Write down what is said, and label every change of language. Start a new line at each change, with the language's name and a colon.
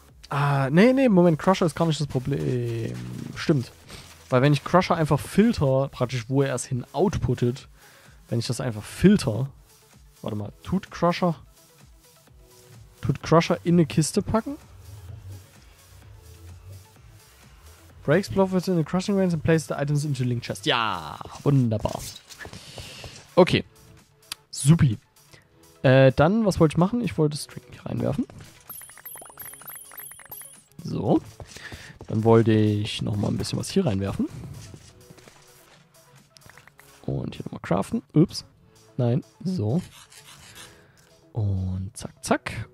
German: Moment. Crusher ist gar nicht das Problem. Stimmt. Weil wenn ich Crusher einfach filter, praktisch wo er es hin outputtet, wenn ich das einfach filter, warte mal, tut Crusher in eine Kiste packen?
English: Breaks Bluff within the Crushing Range and places the items into Link Chest.
German: Ja, wunderbar. Okay, supi. Dann, was wollte ich machen? Ich wollte String reinwerfen. So. Dann wollte ich nochmal ein bisschen was hier reinwerfen. Und hier nochmal craften. Ups. Nein. So. Und zack, zack.